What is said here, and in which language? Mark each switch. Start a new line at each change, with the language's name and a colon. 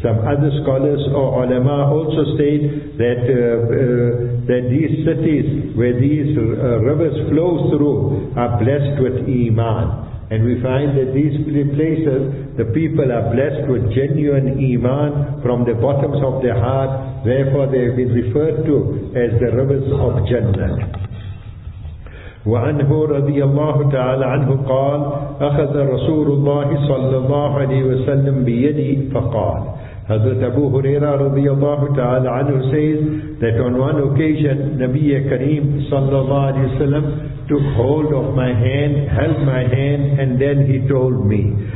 English: Some other scholars or ulama also state that that these cities where these rivers flow through are blessed with iman. And we find that these places, the people are blessed with genuine iman from the bottoms of their heart. Therefore, they have been referred to as the rivers of Jannah.
Arabic: وعنه رضي الله تعالى عنه قال أخذ رسول الله صلى الله عليه وسلم بيدي فقال.
English: Hazrat Abu Huraira radiyallahu ta'ala anhu says that on one occasion Nabi Kareem sallallahu alayhi wa sallam took hold of my hand, held my hand, and then he told me.